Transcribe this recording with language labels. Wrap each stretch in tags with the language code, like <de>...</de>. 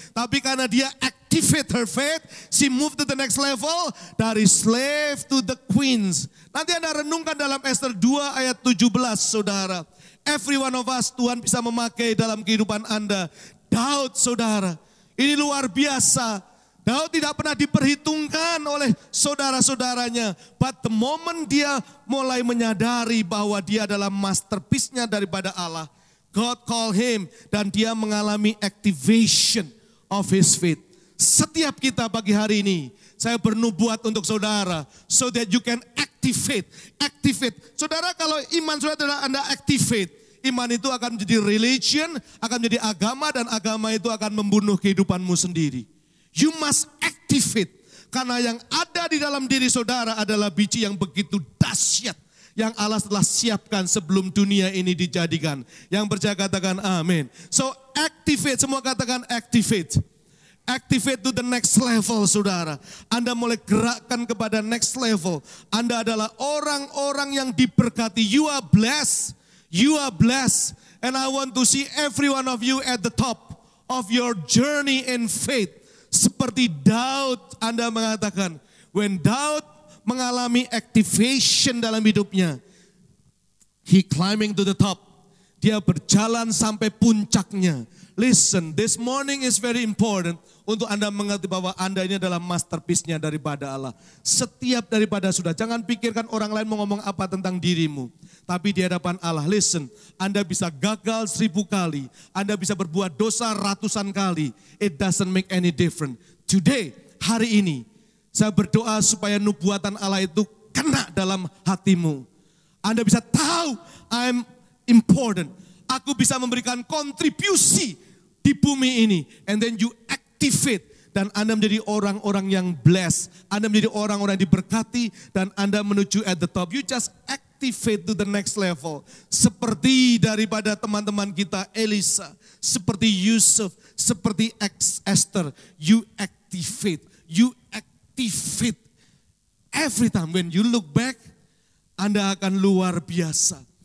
<id>Tapi karena dia</id> <en>activate her faith, she moved to the next level, dari slave to the queens.</en> <id>Nanti Anda renungkan dalam Esther 2 ayat 17, saudara.</id> <en>Every one of us,</en> <id>Tuhan bisa memakai dalam kehidupan Anda. Daud, saudara, ini luar biasa. Daud tidak pernah diperhitungkan oleh saudara-saudaranya.</id> <en>But the moment</en> <id>dia mulai menyadari bahwa dia adalah masterpiece-nya daripada Allah.</id> <en>God call him</en> <id>dan dia mengalami</id> <en>activation of his faith.</en> <id>Setiap kita pagi hari ini, saya bernubuat untuk saudara.</id> <en>So that you can activate, activate.</en> <id>Saudara, kalau iman saudara Anda activate, iman itu akan menjadi religion, akan menjadi agama, dan agama itu akan membunuh kehidupanmu sendiri.</id> <en>You must activate.</en> <id>Karena yang ada di dalam diri saudara adalah biji yang begitu dahsyat. Yang Allah telah siapkan sebelum dunia ini dijadikan. Yang percaya katakan amin.</id> <en>So activate,</en> <id>semua katakan activate.</id> <en>Activate to the next level,</en> <id>saudara. Anda mulai gerakkan kepada</id> <en>next level.</en> <id>Anda adalah orang-orang yang diberkati.</id> <en>You are blessed. You are blessed. And I want to see every one of you at the top of your journey in faith.</en> <id>Seperti Daud, Anda mengatakan, when Daud mengalami activation dalam hidupnya,</id> <en>he climbing to the top,</en> <id>dia berjalan sampai puncaknya.</id> <en>Listen, this morning is very important</en> <id>untuk Anda mengerti bahwa Anda ini adalah masterpiece-nya daripada Allah. Setiap daripada sudah, jangan pikirkan orang lain mau ngomong apa tentang dirimu. Tapi di hadapan Allah, listen, Anda bisa gagal 1000 kali. Anda bisa berbuat dosa 100 kali.</id> <en>It doesn't make any difference.</en> <id>Today, hari ini, saya berdoa supaya nubuatan Allah itu kena dalam hatimu. Anda bisa tahu,</id> <en>I'm important.</en> <id>Aku bisa memberikan kontribusi di bumi ini.</id> <en>And then you activate.</en> <id>Dan Anda menjadi orang-orang yang blessed. Anda menjadi orang-orang yang diberkati. Dan Anda menuju</id> <en>at the top. You just activate. Activate to the next level.</en> <id>Seperti daripada teman-teman kita Elisa. Seperti Yusuf.</id> <en>Seperti Esther. You activate. You activate. Every time when you look back,</en> <id>Anda akan luar biasa.</id>